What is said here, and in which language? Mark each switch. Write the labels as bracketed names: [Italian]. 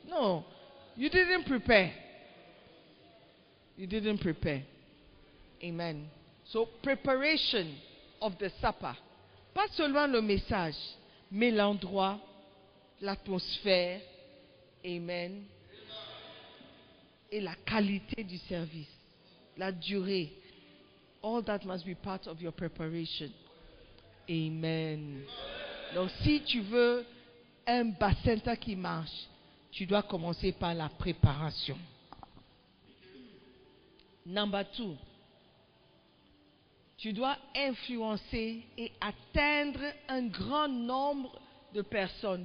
[English] Non, you didn't prepare. You didn't prepare. Amen. So, preparation of the supper. [French] Pas seulement le message, mais l'endroit, l'atmosphère, amen, et la qualité du service, la durée. [English] All that must be part of your preparation. Amen. [French] Donc, si tu veux un bassinta qui marche, tu dois commencer par la préparation. [English] Number two. [French] Tu dois influencer et atteindre un grand nombre de personnes.